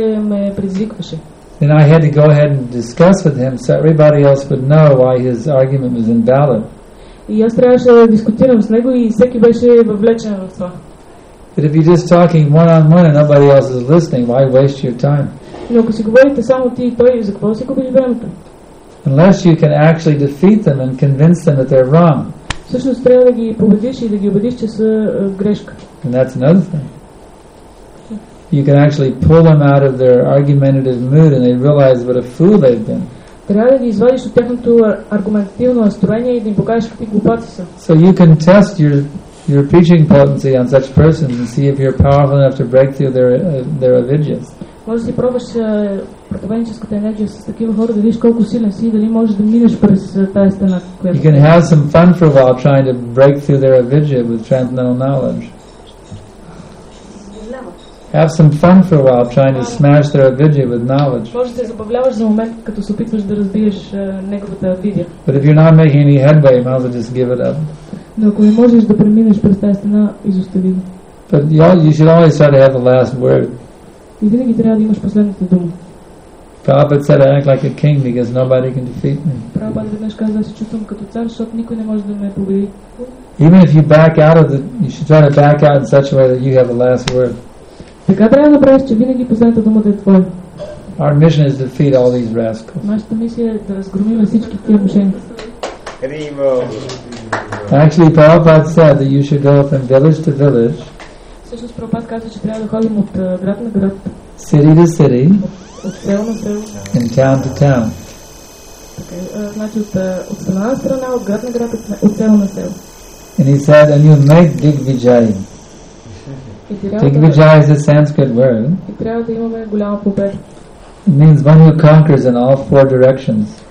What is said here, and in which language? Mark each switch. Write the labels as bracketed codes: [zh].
[en] Then I had to go ahead and discuss with him so everybody else would know why his argument was invalid. [bg] И аз трябваше да дискутирам с него и всеки беше въвлечен в това. [en] But if you're just talking one-on-one and nobody else is listening, why waste your time? [bg] Но ако си говорите само ти и той, за какво си губиш времето? [en] Unless you can actually defeat them and convince them that they're wrong. [bg] Всъщност трябва да ги победиш и да ги убедиш, че са грешка. [en] And that's another thing. You can actually pull them out of their argumentative mood and they realize what a fool they've been. [bg] Трябва да ги извадиш от тяхното аргументативно настроение и да им покажеш какви глупаци са. [en] So you can test your preaching potency on such persons and see if you're powerful enough to break through their avidyas. [bg] Можеш да пробваш проповедническата енергия с такива хора, да видиш колко силен си и дали можеш да минеш през тази стена. [en] You can have some fun for a while trying to break through their avidya with transcendental knowledge. Have some fun for a while trying to smash their avidya with knowledge. [bg] Може да се забавляваш за момент, като се опитваш да разбиеш неговата авидия. [en] But if you're not making any headway, you might as well just give it up. [bg] Но ако не можеш да преминеш през тази стена, изостави. [en] But you should always try to have the last word. [bg] И винаги трябва да имаш последната дума. [en] Prabhupada said, I act like a king because nobody can defeat me. [bg] Prabhupada веднъж каза, се чувствам като цар, защото никой не може да ме победи. [en] Even if you back out of you should try to back out in such a way that you have the last word. [bg] Така трябва да правиш, че винаги последната дума е твоя. [en] Our mission is to defeat all these rascals. [bg] Нашата мисия е да разгромим всички тия мошеници. Криво. [en] Actually, Prabhupada said that you should go from village to village. [bg] Всъщност Прабхупад каза, че трябва да ходим от град на град. [en] City to city. [bg] От село на село. [en] And town to town. Okay. [bg] Значи от една страна, от град на град, от село на село. [en] And he said, and you make Digvijay. Digvijay is a Sanskrit word. It means one who conquers in all four directions.